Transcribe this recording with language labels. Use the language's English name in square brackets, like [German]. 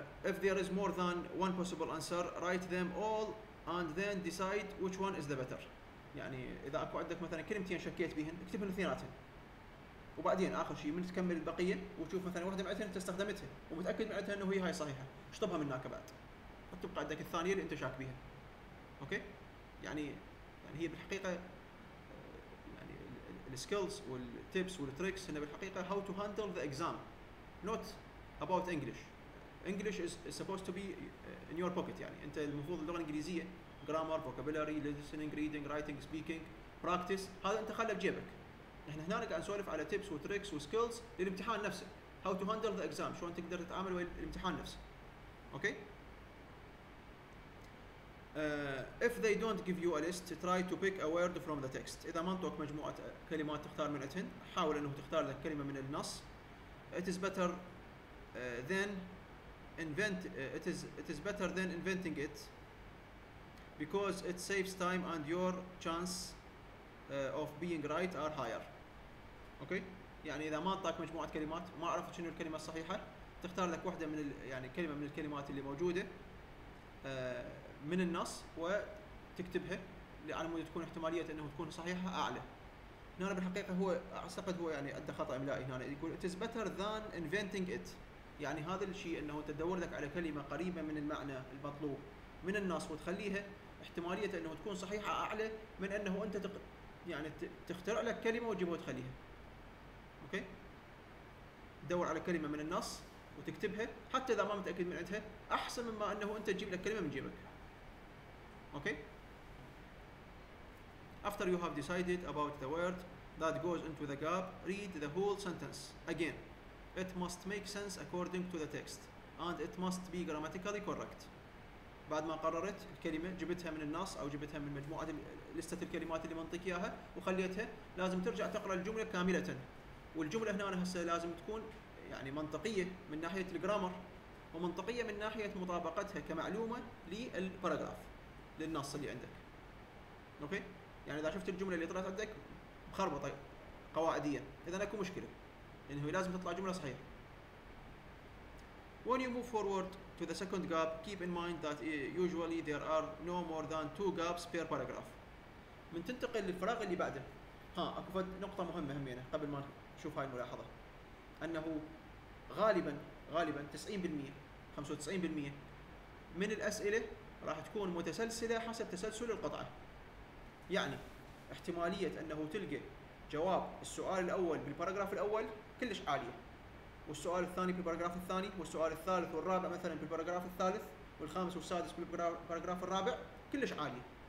[English] If there is more than one possible answer, write them all and then decide which one is the better. [Arabic] يعني اذا اكو عندك مثلا كلمتين شكيت بهن اكتبهن اثنيناتهم. وبعدين اخر شيء من تكمل البقيه وتشوف مثلا واحده معناتها انت استخدمتها ومتاكد معناتها انه هي هاي صحيحه، اشطبها من هناك بعد. تبقى عندك الثانيه اللي انت شاك بيها. اوكي يعني هي بالحقيقه يعني السكيلز والتيبس والتريكس انه بالحقيقه [English] How to handle the exam not about English. English is supposed to be in your pocket, [Arabic] يعني انت المفروض اللغه الانجليزيه جرامر فوكابولري ليسننج ريدنج رايتنج سبيكينج براكتس هذا انت خله بجيبك. احنا هنا قاعد نسولف على تيبس وتريكس وسكيلز للامتحان نفسه، [English] how to handle the exam [Arabic] شلون تقدر تتعامل ويا الامتحان نفسه. [English] Okay if they don't give you a list, try to pick a word from the text. [Arabic] إذا ما انطوك مجموعة كلمات تختار من عندهن، حاول أنه تختار لك كلمة من النص. [English] It is better than invent. It is better than inventing it because it saves time and your chance of being right are higher. [Arabic] Okay؟ يعني إذا ما انطاك مجموعة كلمات ما عرفت شنو الكلمة الصحيحة، تختار لك واحدة من يعني كلمة من الكلمات اللي موجودة. من النص وتكتبها لعل ما تكون احتماليه انه تكون صحيحه اعلى. هنا بالحقيقه هو اعتقد هو يعني ادى خطا املائي هنا يقول [English] it is better than inventing it، [Arabic] يعني هذا الشيء انه تدور لك على كلمه قريبه من المعنى المطلوب من النص وتخليها احتماليه انه تكون صحيحه اعلى من انه انت يعني تخترع لك كلمه وتجيبها وتخليها. اوكي تدور على كلمه من النص وتكتبها حتى اذا ما متاكد من عندها احسن مما انه انت تجيب لك كلمه من جيبك. [English] Okay. After you have decided about the word, that goes into the gap, read the whole sentence again. It must make sense according to the text and it must be grammatically correct. [Arabic] بعد ما قررت الكلمة جبتها من النص أو جبتها من مجموعة لستة الكلمات اللي منطقياها وخليتها، لازم ترجع تقرأ الجملة كاملة. والجملة هنا أنا هسه لازم تكون يعني منطقية من ناحية الجرامر ومنطقية من ناحية مطابقتها كمعلومة للباراجراف للنص اللي عندك. أوكي؟ يعني إذا شفت الجملة اللي طلعت عندك مخربطة قواعديا إذا أكو مشكلة، إنه يعني لازم تطلع جملة صحيحة. [English] When you move forward to the second gap, keep in mind that usually there are no more than two gaps per paragraph. [Arabic] من تنتقل للفراغ اللي بعده، ها أكو نقطة مهمة همينة قبل ما نشوف هاي الملاحظة، أنه غالبا 90% 95% من الأسئلة راح تكون متسلسلة حسب تسلسل القطعة. يعني احتمالية أنه تلقى جواب السؤال الأول بالباراجراف الأول كلش عالية، والسؤال الثاني بالباراجراف الثاني، والسؤال الثالث والرابع مثلا بالباراجراف الثالث، والخامس والسادس بالباراجراف الرابع كلش عالي.